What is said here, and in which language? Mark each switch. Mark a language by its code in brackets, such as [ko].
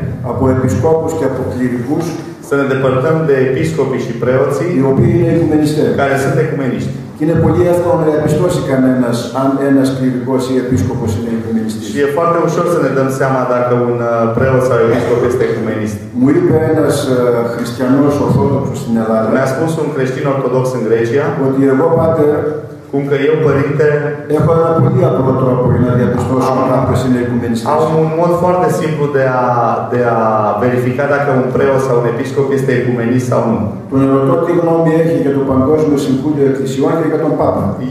[el] από επισκόπους και από κληρικούς, [ro] să ne depărtăm de episcopii și preoții, [el] οι οποίοι είναι οικουμενιστές, [ro] care sunt ecumeniști. [el] Και είναι πολύ εύκολο να διαπιστώσει κανένας αν ένας κληρικός ή επίσκοπος είναι οικουμενιστής. [ro] Și e foarte ușor să ne dăm seama dacă un preot sau episcop este ecumenist. [el] Μου είπε ένας χριστιανός ορθόδοξος στην Ελλάδα, [ro] mi-a spus un creștin ortodox în Grecia, [el] ότι εγώ πάτε, [ro] cum că eu, părinte, [el] έχω ένα πολύ απλό τρόπο για να διαπιστώσω αν κάποιος είναι οικουμενιστής. [ro] Am un mod foarte simplu de a verifica dacă un preot sau un episcop este ecumenist sau nu. [el] Τον ρωτώ τι γνώμη έχει για το Παγκόσμιο Συμβούλιο Εκκλησιών και για τον Πάπα.